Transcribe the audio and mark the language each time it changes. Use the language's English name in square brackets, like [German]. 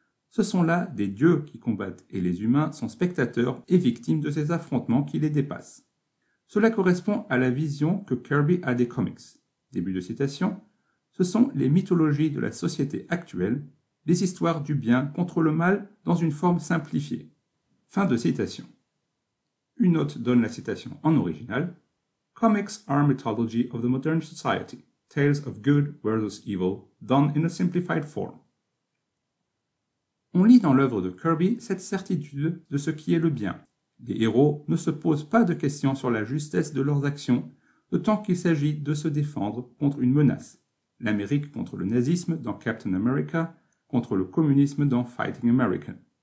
[French] Ce sont là des dieux qui combattent et les humains sont spectateurs et victimes de ces affrontements qui les dépassent. Cela correspond à la vision que Kirby a des comics. Début de citation. Ce sont les mythologies de la société actuelle, les histoires du bien contre le mal dans une forme simplifiée. Fin de citation. Une note donne la citation en original. [English] Comics are mythology of the modern society, tales of good versus evil, done in a simplified form. [French] On lit dans l'œuvre de Kirby cette certitude de ce qui est le bien. Les héros ne se posent pas de questions sur la justesse de leurs actions, d'autant qu'il s'agit de se défendre contre une menace. L'Amérique contre le nazisme dans Captain America, contre le communisme dans Fighting American.